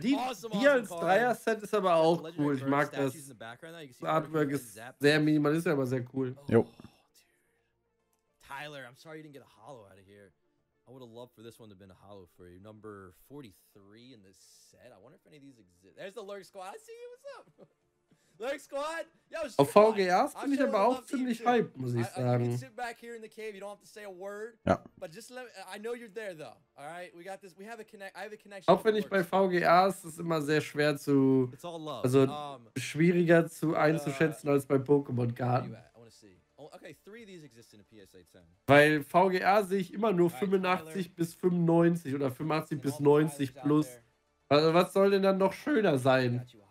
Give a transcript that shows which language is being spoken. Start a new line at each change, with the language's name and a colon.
German: Die als Dreier-Set ist aber auch cool. Ich mag das. Das Artwork ist sehr minimalistisch, aber sehr cool. Jo.
English: Tyler, I'm sorry you didn't get a hollow out of here. I would have loved for this one to have been a hollow for you. Number 43 in this set. I wonder if any of these exist. There's the Lurk Squad. I see you. What's up? Lurk Squad.
German: Yo, auf VGAs bin ich aber auch ziemlich hype, muss ich sagen.
English: You can sit back here in the cave. You don't have to say a word.
German: Ja.
English: But just let me, I know you're there though. All right? We got this. We have a connect. I have a connection.
German: Auch wenn ich bei VGAs, ist immer sehr schwer zu, also schwieriger zu einzuschätzen als bei Pokémon Garden.
English: Okay, three of these exist in a PSA 10.
German: Weil VGR sehe ich immer nur 85 bis 95 oder 85 bis 90 plus. Also was soll denn dann noch schöner sein?